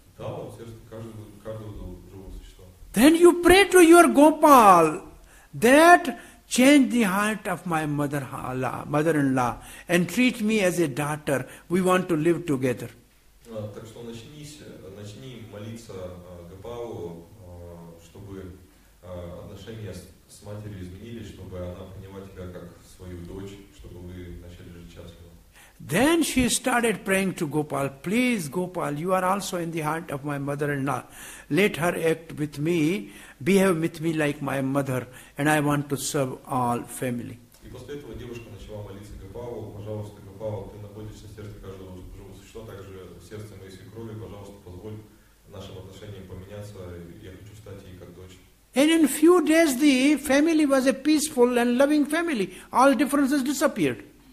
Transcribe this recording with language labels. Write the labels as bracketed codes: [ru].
[ru] Да, он в сердце каждого живого существа. [en] Then you pray to your Gopal that change the heart of my mother-in-law and treat me as a daughter. We want to live together. [ru] Так что начни молиться Гопалу, чтобы отношения с матерью изменились, чтобы она приняла тебя как свою дочь, чтобы вы начали жить счастливо. [en] Then she started praying to Gopal, please Gopal, you are also in the heart of my mother-in-law. Let her act with me, behave with me like my mother, and I want to serve all family. [ru] И после этого девушка начала молиться Гопалу, пожалуйста, Гопал, ты находишься в сердце каждого живого существа, также в сердце моей свекрови, пожалуйста, позволь нашим отношениям поменяться, я хочу стать ей как дочь. [en] And in few days the family was a peaceful and loving family. All differences disappeared.